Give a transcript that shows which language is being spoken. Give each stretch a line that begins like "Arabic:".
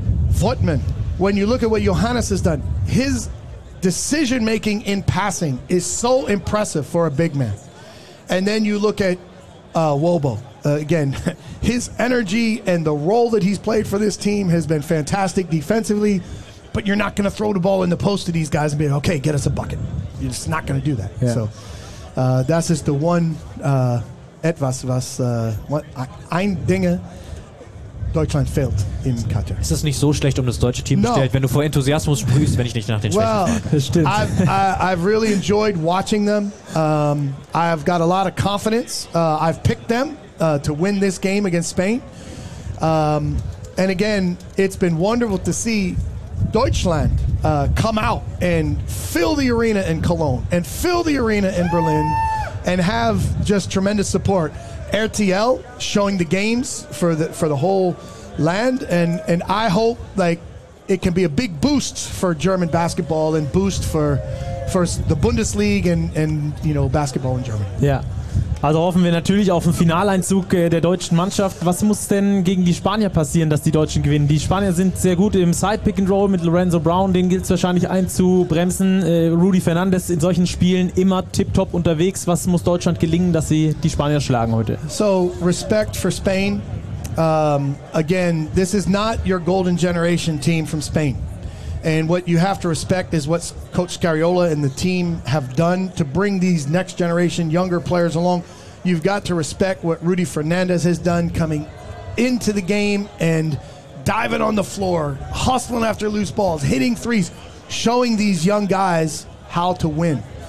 English: Voigtmann, when you look at what Johannes has done, his decision-making in passing is so impressive for a big man. And then you look at Wobo. Again, his energy and the role that he's played for this team has been fantastic defensively, but you're not going to throw the ball in the post to these guys and be like, okay, get us a bucket. You're just not going to do that. Yeah. So that's just the one
German: etwas, was ein Dinge Deutschland fehlt in Katar. Ist das nicht so schlecht, um das deutsche Team bestellt, wenn du vor Enthusiasmus sprühst, wenn ich nicht nach den Schwächen frage?
English: I've really enjoyed watching them. I've got a lot of confidence. I've picked them to win this game against Spain. And again, it's been wonderful to see Deutschland come out and fill the arena in Cologne and fill the arena in Berlin and have just tremendous support. RTL showing the games for the whole land, and I hope it can be a big boost for German basketball and boost for the Bundesliga and basketball in Germany. Yeah.
German: Also hoffen wir natürlich auf einen Finaleinzug der deutschen Mannschaft. Was muss denn gegen die Spanier passieren, dass die Deutschen gewinnen? Die Spanier sind sehr gut im Side-Pick-and-Roll mit Lorenzo Brown. Den gilt es wahrscheinlich einzubremsen. Rudy Fernandes in solchen Spielen immer tip-top unterwegs. Was muss Deutschland gelingen, dass sie die Spanier schlagen heute?
English: So, respect for Spain. Again, this is not your golden generation team from Spain. And what you have to respect is what Coach Scariola and the team have done to bring these next generation younger players along. You've got to respect what Rudy Fernandez has done coming into the game and diving on the floor, hustling after loose balls, hitting threes, showing these young guys how to win.